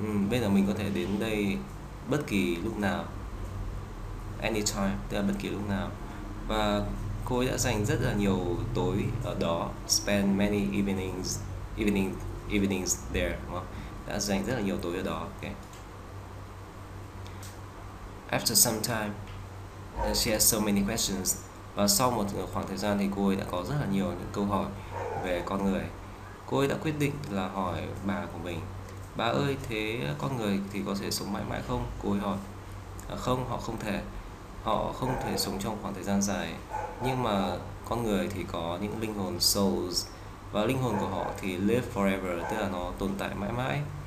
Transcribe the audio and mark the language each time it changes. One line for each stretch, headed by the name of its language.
Vietnamese: Bây giờ mình có thể đến đây bất kỳ lúc nào, anytime, tức là bất kỳ lúc nào. Và cô ấy đã dành rất là nhiều tối ở đó,
English: spend many evenings, evenings there,
Vietnamese: đúng không? Đã dành rất là nhiều tối ở đó.
English: Okay. After some time, she has so many questions.
Vietnamese: Và sau một khoảng thời gian thì cô ấy đã có rất là nhiều những câu hỏi về con người. Cô ấy đã quyết định là hỏi bà của mình: "Bà ơi, thế con người thì có thể sống mãi mãi không?" Cô ấy hỏi. "Không, họ không thể. Họ không thể sống trong khoảng thời gian dài. Nhưng mà con người thì có những linh hồn, souls, và linh hồn của họ thì
English: live forever,
Vietnamese: tức là nó tồn tại mãi mãi.